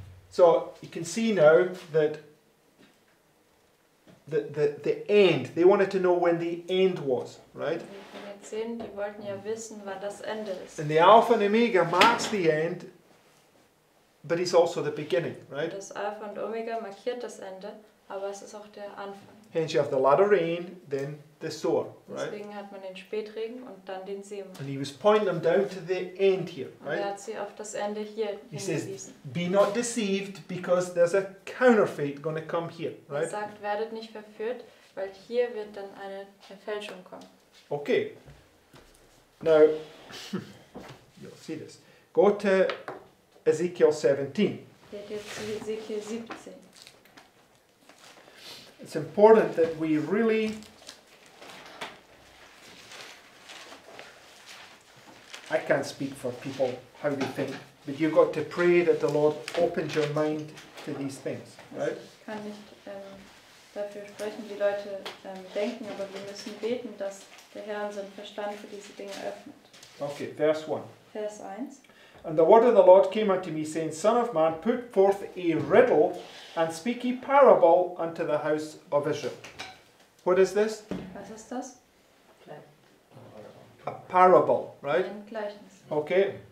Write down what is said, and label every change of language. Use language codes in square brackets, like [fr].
[en] So you can see now that the end, they wanted to know when the end was, right? And the Alpha and Omega marks the end, but it's also the beginning, right? [de] Das Alpha und Omega markiert das Ende, aber es ist auch der Anfang. [en] Hence you have the latter rain, then the sower, right? [de] Deswegen hat man den Spätregen und dann den Seemann. [en] And he was pointing them down to the end here, right? [de] Und er hat sie auf das Ende hier hingewiesen. [en] He says, be not deceived, because there's a counterfeit going to come here, right? [de] Er sagt, werdet nicht verführt, weil hier wird dann eine Verfälschung kommen. [en] Okay. Now, you'll see this. Go to Ezekiel 17. [de] Geht jetzt zu Ezekiel 17. [en] It's important that we really I can't speak for people how they think, but you've got to pray that the Lord opens your mind to these things, right? [de] Ich kann nicht dafür sprechen, wie Leute denken, aber wir müssen beten, dass der Herr unseren Verstand für diese Dinge öffnet. [en] Okay, verse 1. [de] Vers 1. [en] And the word of the Lord came unto me, saying, Son of man, put forth a riddle, and speak a parable unto the house of Israel. What is this? [de] Was ist das? [en] A parable, right? [de] Ein Gleichnis. [en] Okay.